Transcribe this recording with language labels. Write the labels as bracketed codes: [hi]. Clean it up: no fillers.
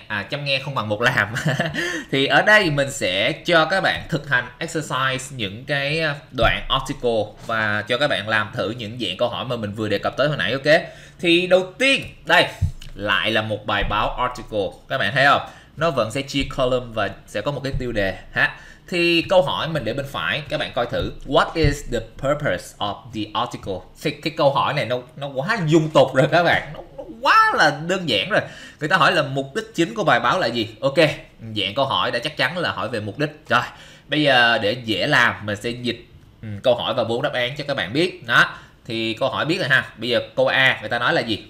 [vi] À, chăm nghe không bằng một làm. Thì ở đây mình sẽ cho các bạn thực hành exercise những cái đoạn article và cho các bạn làm thử những dạng câu hỏi mà mình vừa đề cập tới hồi nãy, ok. Thì đầu tiên, đây, lại là một bài báo article, các bạn thấy không? Nó vẫn sẽ chia column và sẽ có một cái tiêu đề ha. Thì câu hỏi mình để bên phải, các bạn coi thử. [en] What is the purpose of the article? [vi] Thì cái câu hỏi này nó quá dung tục rồi các bạn, nó quá là đơn giản rồi. Người ta hỏi là mục đích chính của bài báo là gì? Ok, dạng câu hỏi đã chắc chắn là hỏi về mục đích. Rồi, bây giờ để dễ làm, mình sẽ dịch câu hỏi và bốn đáp án cho các bạn biết. Đó, thì câu hỏi biết rồi ha. Bây giờ câu A người ta nói là gì?